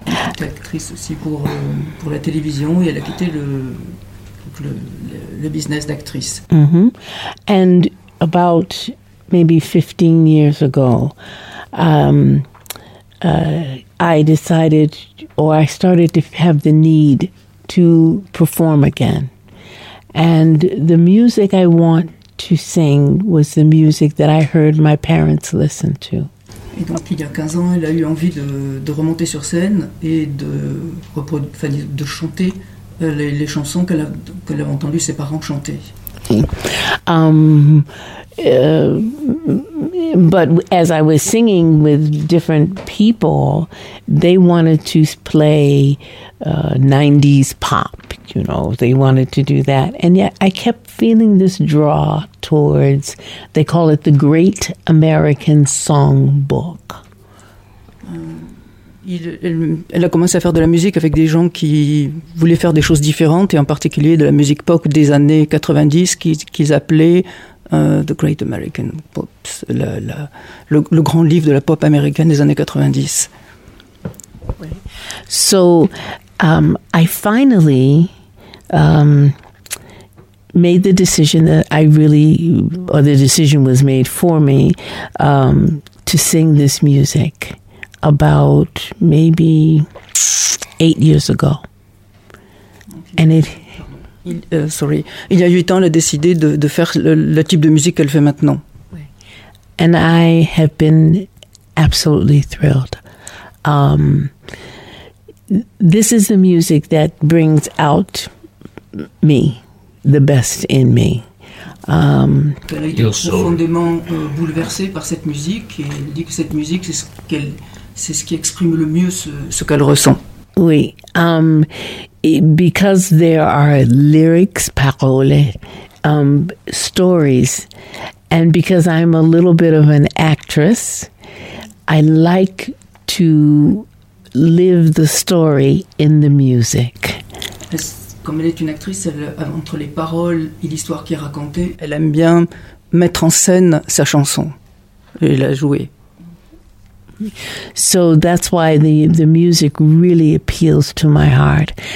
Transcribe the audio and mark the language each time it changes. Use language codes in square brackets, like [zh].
[fr] Actrice aussi pour la télévision et elle a quitté le business d'actrice. Mm-hmm. [en] And about maybe 15 years ago, I started to have the need to perform again. And the music I want to sing was the music that I heard my parents listen to. [fr] Et donc, il y a 15 ans, elle a eu envie de remonter sur scène et de chanter les chansons qu'elle avait entendu ses parents chanter. [en] But as I was singing with different people, they wanted to play 90s pop, you know, they wanted to do that. And yet I kept feeling this draw towards, they call it the Great American Songbook. [fr] Elle a commencé à faire de la musique avec des gens qui voulaient faire des choses différentes, et en particulier de la musique pop des années 90 qu'ils appelaient The Great American Pop, le grand livre de la pop américaine des années 90. [en] So, I finally made the decision that I really, or the decision was made for me, to sing this music about maybe 8 years ago. And it... [fr] Il y a 8 ans, elle a décidé de faire le type de musique qu'elle fait maintenant. [en] And I have been absolutely thrilled. This is the music that brings out me, the best in me. [fr] Elle a été profondément bouleversée par cette musique et elle dit que cette musique, c'est ce qui exprime le mieux ce qu'elle ressent. [en] Oui, because there are lyrics, paroles, stories, and because I'm a little bit of an actress, I like to live the story in the music. [fr] Comme elle est une actrice, entre les paroles et l'histoire qui est racontée, elle aime bien mettre en scène sa chanson et la jouer. [en] So that's why the music really appeals to my heart.